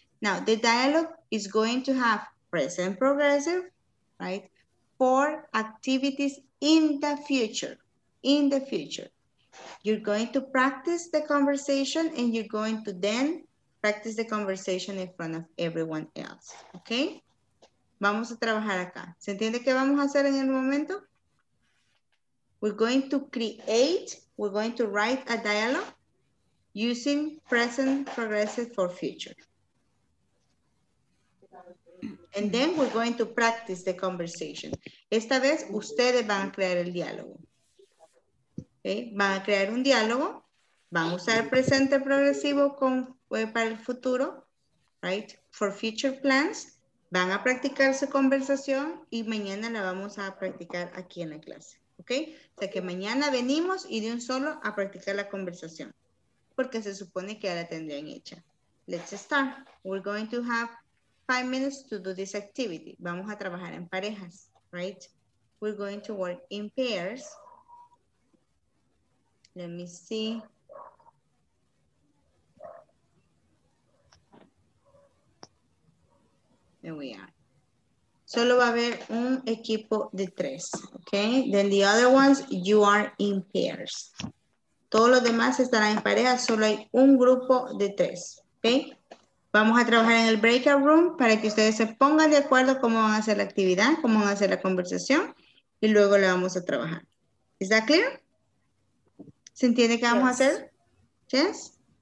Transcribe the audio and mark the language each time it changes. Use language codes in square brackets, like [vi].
[en] Now the dialogue is going to have present progressive, right? For activities in the future. You're going to practice the conversation and you're going to then practice the conversation in front of everyone else, okay? [es] Vamos a trabajar acá. ¿Se entiende qué vamos a hacer en el momento? [en] We're going to write a dialogue using present progressive for future. And then we're going to practice the conversation. [es] Esta vez ustedes van a crear el diálogo. Okay. Van a crear un diálogo, van a usar el presente progresivo para el futuro, right? [en] For future plans, [es] van a practicar su conversación y mañana la vamos a practicar aquí en la clase, okay? O sea que mañana venimos y de un solo a practicar la conversación, porque se supone que ya la tendrían hecha. [en] Let's start. We're going to have 5 minutes to do this activity. [es] Vamos a trabajar en parejas, [en] right? We're going to work in pairs. Let me see. There we are. [es] Solo va a haber un equipo de tres, okay? [en] Then the other ones, you are in pairs. [es] Todos los demás estarán en pareja, solo hay un grupo de tres, okay? Vamos a trabajar en el breakout room para que ustedes se pongan de acuerdo cómo van a hacer la actividad, cómo van a hacer la conversación y luego la vamos a trabajar. [en] Is that clear? [es] ¿Se entiende qué vamos a hacer? Yes?